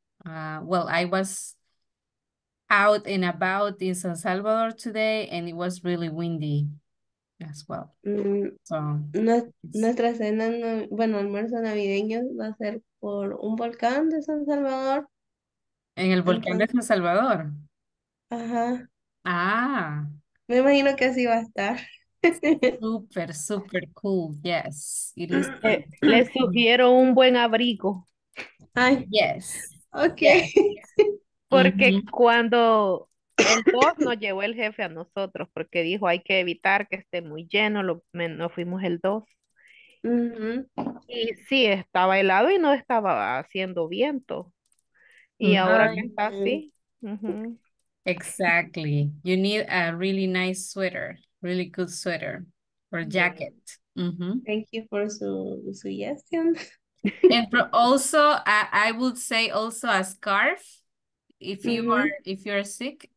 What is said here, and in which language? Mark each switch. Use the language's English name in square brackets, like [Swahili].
[English] Well, I was out and about in San Salvador today and it was really windy as well. So [Spanish] nuestra cena, bueno, almuerzo navideño va a ser por un volcán de San Salvador. En el volcán de San Salvador. Ajá. Ah. Me imagino que así va a estar. [English] Super, super cool. Yes. It is. [Spanish] Les sugiero un buen abrigo. [English] Ay. Yes. Ok. Yes. [Spanish] Porque cuando el dos nos llevó el jefe a nosotros, porque dijo hay que evitar que esté muy lleno, nos fuimos el dos. Y sí, estaba helado y no estaba haciendo viento. Y ahora que está así. [English] Exactly. You need a really nice sweater, really good sweater or jacket. Thank you for the suggestion. And for also, I would say also a scarf if you are if you're sick.